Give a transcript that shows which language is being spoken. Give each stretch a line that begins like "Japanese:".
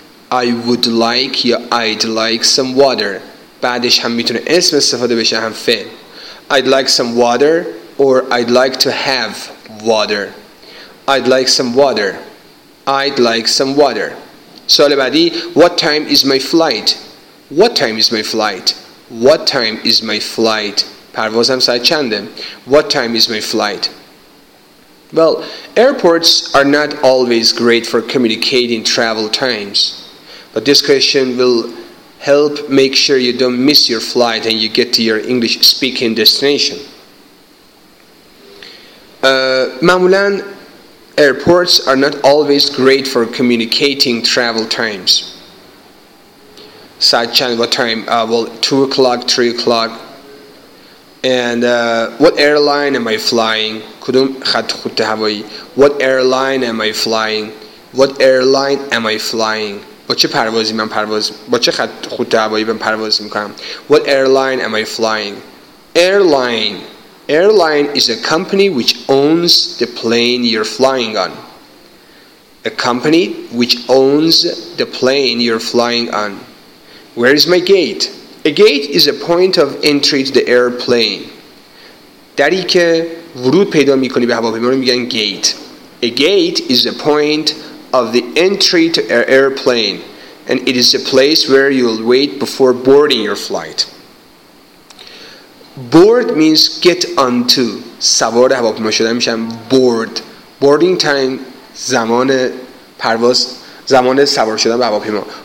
English: I would like
Persian: یا
English: I'd like some water.
Persian: بعدش هم میتونه اسم استفاده بشه هم فعل.
English: I'd like some water or I'd like to have water. I'd like some water. I'd like some water.
Persian: سوال بعدی،
English: What time is my flight? What time is my flight? What time is my flight?
Persian: پروازم ساعت چنده؟
English: What time is my flight? Well, airports are not always great for communicating travel times. But this question will help make sure you don't miss your flight and you get to your English-speaking destination.
Persian: معمولاً
English: airports are not always great for communicating travel times.
Persian: ساعت چند؟
English: What time? Well, 2 o'clock, 3 o'clock. And what airline am I flying?
Persian: کدوم خط خط هوایی؟
English: What airline am I flying? What airline am I flying?
Persian: با چه پروازی من پرواز؟ با چه خط خط هوایی من پرواز میکنم؟
English: What airline am I flying? Airline is a company which owns the plane you're flying on. A company which owns the plane you're flying on. Where is my gate? A gate is a point of entry to the airplane.
Persian: دری که ورود پیدا میکنی به هواپیما رو میگن gate.
English: A gate is a point of the entry to an airplane. And it is a place where you'll wait before boarding your flight. Board means get onto.
Persian: سوار هواپیما شدن میشن board.
English: Boarding time
Persian: زمان پرواز، زمان سوار شدن به هواپیما.